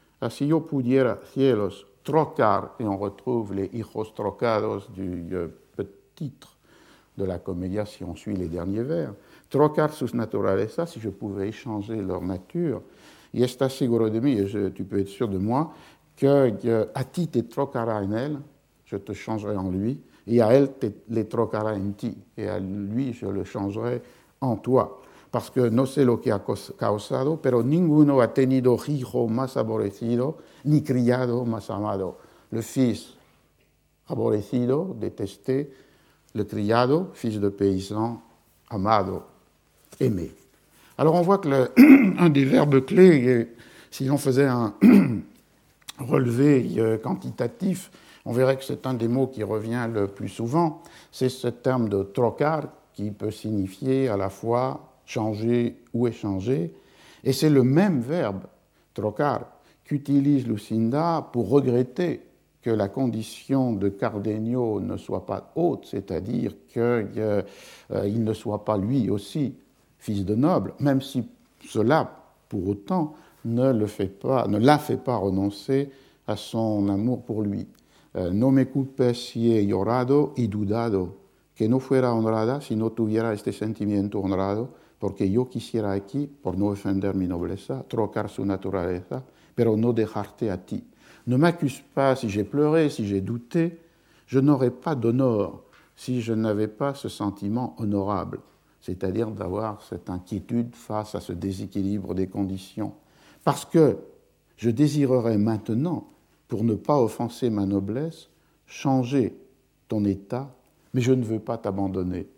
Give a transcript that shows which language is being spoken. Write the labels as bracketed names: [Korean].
[Spanish] Si yo pudiera, cielos, trocar, [French] et on retrouve les hijos trocados du titre de la comédia si on suit les derniers vers, [Spanish] trocar sus naturaleza, [French] si je pouvais échanger leur nature, [Spanish] y está seguro de mí, [French] tu peux être sûr de moi, [Spanish] que a ti te trocará en él, [French] je te changerai en lui, et à elle les [Spanish] trocara en ti, [French] et à lui je le changerai en toi. Parce que [Spanish] no sé lo que ha causado, pero ninguno ha tenido hijo más aborrecido, ni criado más amado. [French] Le fils aborrecido, détesté, le criado, fils de paysan, amado, aimé. Alors on voit que un des verbes clés, si l'on faisait un relevé quantitatif, on verrait que c'est un des mots qui revient le plus souvent, c'est ce terme de trocar qui peut signifier à la fois changer ou échanger, et c'est le même verbe, trocar, qu'utilise Lucinda pour regretter que la condition de Cardenio ne soit pas haute, c'est-à-dire qu'il ne soit pas lui aussi fils de noble, même si cela, pour autant, ne la fait pas renoncer à son amour pour lui. [Spanish] No me culpes si he llorado y dudado, que no fuera honrada si no tuviera este sentimiento honrado, porque yo quisiera aquí, por no ofender mi nobleza, trocar su naturaleza, pero no dejarte a ti. [French] Ne m'accuse pas si j'ai pleuré, si j'ai douté. Je n'aurais pas d'honneur si je n'avais pas ce sentiment honorable, c'est-à-dire d'avoir cette inquiétude face à ce déséquilibre des conditions. Parce que je désirerais maintenant, pour ne pas offenser ma noblesse, changer ton état, mais je ne veux pas t'abandonner.